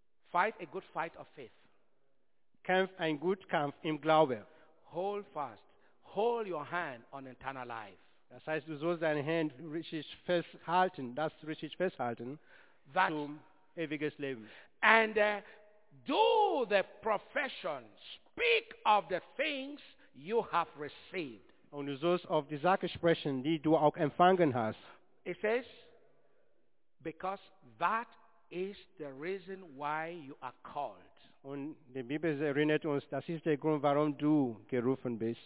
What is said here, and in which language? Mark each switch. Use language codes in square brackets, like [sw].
[en] Fight a good fight of faith. [de] Kämpf ein gut Kampf im Glauben. [en] Hold fast. Hold your hand on eternal life. [de] Das heißt, du sollst deine Hand richtig festhalten, [en] that [de] zum ewiges Leben. [en] And do the profession, speak of the things you have received. [de] Und du sollst auf die Sache sprechen, die du auch empfangen hast. [en] It says, because that is the reason why you are called. [de] Und die Bibel erinnert uns, das ist der Grund, warum du gerufen bist.